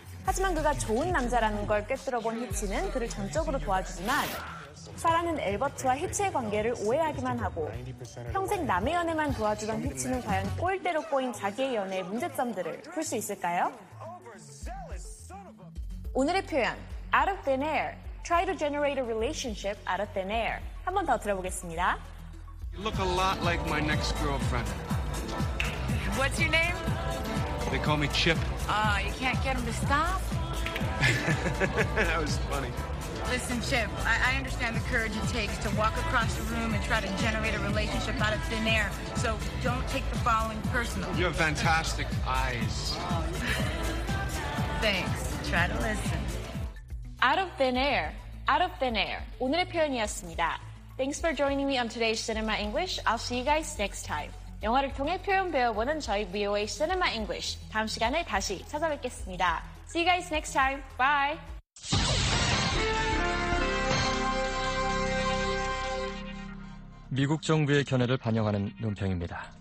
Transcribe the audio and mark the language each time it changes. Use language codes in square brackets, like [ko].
[ko] 하지만 그가 좋은 남자라는 걸 꿰뚫어본 히치는 그를 전적으로 도와주지만 사라는 엘버트와 히치의 관계를 오해하기만 하고 평생 남의 연애만 도와주던 히치는 과연 꼴대로 꼬인 자기의 연애의 문제점들을 풀 수 있을까요? 오늘의 표현 [en] Out of thin air Try to generate a relationship out of thin air [ko] 한 번 더 들어보겠습니다. [en] You look a lot like my next girlfriend. What's your name? They call me Chip. You can't get him to stop? That was funny. Listen, Chip, I understand the courage it takes to walk across the room and try to generate a relationship out of thin air, so don't take the following personal. You have fantastic eyes. Thanks. Try to listen. Out of thin air. Out of thin air. [ko] 오늘의 표현이었습니다. [en] Thanks for joining me on today's Cinema English. I'll see you guys next time. [ko] 영화를 통해 표현 배워보는 저희 VOA Cinema English. 다음 시간에 다시 찾아뵙겠습니다. [en] See you guys next time. Bye! Big Chong Bill Kennedy Panyanganan Nunpyangida.